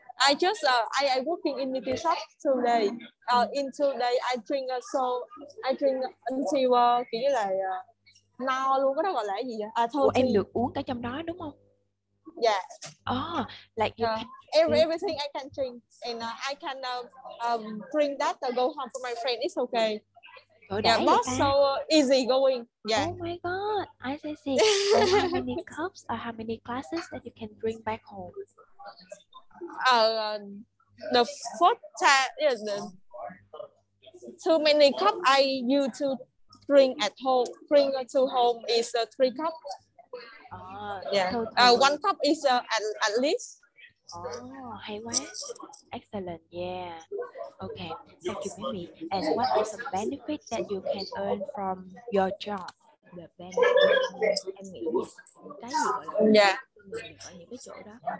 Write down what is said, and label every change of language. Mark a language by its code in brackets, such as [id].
[en] I just I working in the shop today. In today I drink so I drink until [vi] kiểu như là no luôn, cái đó gọi là gì vậy? Ủa, em được uống cả trong đó đúng không? [en] Yeah. Oh, like you can... everything I can drink and I can bring that to go home for my friend. It's okay. Yeah, boss so easy going. Yeah. Oh my God, I see. So how many cups or how many glasses that you can bring back home? The first time is too many cups I used to drink at home. Bring to home is 3 cups. Yeah. One cup is at least. Oh, [vi] hay quá. [en] Excellent, yeah. Okay, thank you, baby. And what is the benefit that you can earn from your job? The benefit, [vi] em nghĩ cái gì gọi là ở những cái chỗ đó.